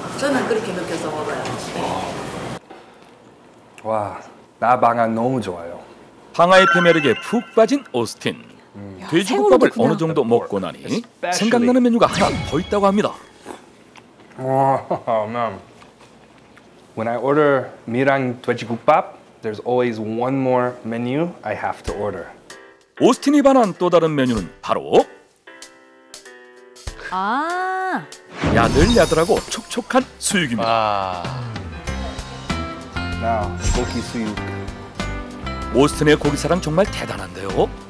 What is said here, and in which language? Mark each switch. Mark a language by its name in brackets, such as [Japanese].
[Korean] 저는 그렇게 느껴서 먹어요. 와, 나 방아 너무 좋아요. 방아의 패매력에 푹 빠진 오스틴. 돼지국밥을 어느 정도 먹고 나니 생각나는 메뉴가 하나 더 있다고 합니다. 와, 맘. [English] When I order 미랑 돼지국밥, there's always one more menu I have to order. [Korean] 오스틴이 반한 또 다른 메뉴는 바로 아 야들야들하고 촉촉한 수육입니다. 나 아. 고기 수육. 오스틴의 고기 사랑 정말 대단한데요.